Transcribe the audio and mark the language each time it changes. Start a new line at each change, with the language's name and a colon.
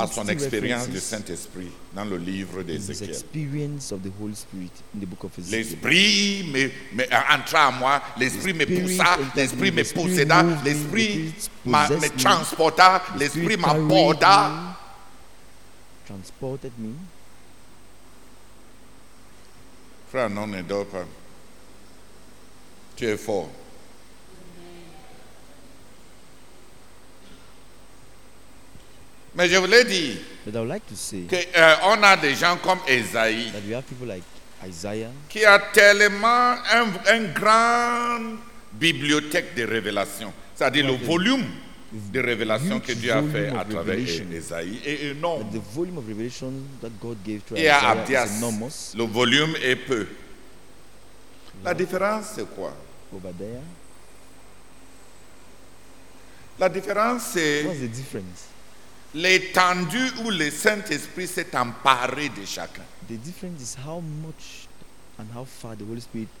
French: à son expérience du Saint-Esprit dans le livre d'Ézéchiel.
English: His experience of the Holy Spirit in the book of Ezekiel.
French: L'Esprit me entra à moi, l'Esprit me poussa, l'Esprit me posséda, l'Esprit me transporta, l'Esprit m'apporta.
English: Transported me.
French: Frère, non, ne dors pas. Tu es fort. Mais je voulais dire qu'on a des gens comme Esaïe
English: that we have people like Isaiah,
French: qui a tellement un grand bibliothèque de révélations. C'est-à-dire le volume de révélations que Dieu a fait à travers Esaïe est énorme.
English: The volume of revelation that God gave to
French: et à Abdias, le volume est peu. La différence, c'est quoi?
English: Obadiah.
French: La différence, c'est...
English: What's the difference?
French: L'étendue où le Saint-Esprit s'est emparé de chacun.
English: The difference is how much and how far the Holy Spirit